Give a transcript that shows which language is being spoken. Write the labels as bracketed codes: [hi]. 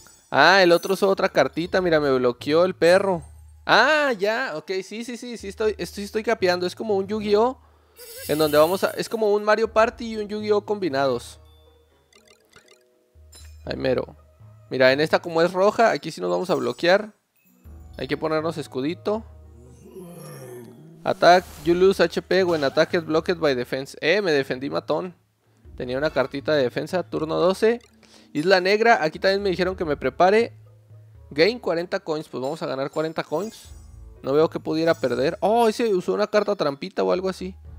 [es] Ah, el otro usó otra cartita. Mira, me bloqueó el perro. Ah, ya, ok, sí, estoy capeando. Es como un Yu-Gi-Oh. En donde vamos a... Es como un Mario Party y un Yu-Gi-Oh combinados. Ay, mero. Mira, en esta como es roja, aquí sí nos vamos a bloquear. Hay que ponernos escudito. [en] Attack, you lose HP when attack is blocked by defense. [es] Me defendí matón. Tenía una cartita de defensa, turno 12. Isla Negra, aquí también me dijeron que me prepare. [en] Gain 40 coins, [es] pues vamos a ganar 40 coins. No veo que pudiera perder. Oh, ese usó una carta trampita o algo así.